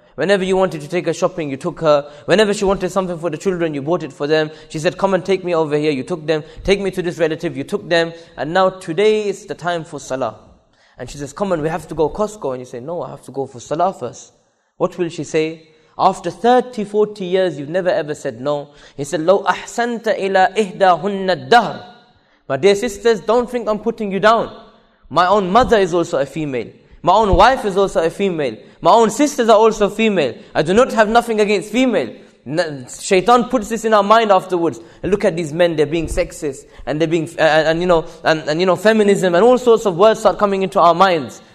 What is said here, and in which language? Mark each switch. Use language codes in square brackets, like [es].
[en] Whenever you wanted to take her shopping, you took her. Whenever she wanted something for the children, you bought it for them. She said, come and take me over here. You took them. Take me to this relative. You took them. And now today is the time for salah. And she says, come on, we have to go Costco. And you say, no, I have to go for salah first. What will she say? After 30, 40 years, you've never ever said no. He said, [ar] لو أحسنت إلى إهداهن الدهر. [en] My dear sisters, don't think I'm putting you down. My own mother is also a female. My own wife is also a female. My own sisters are also female. I do not have nothing against female. Shaitan puts this in our mind afterwards. Look at these men, they're being sexist. And they're being, feminism and all sorts of words start coming into our minds.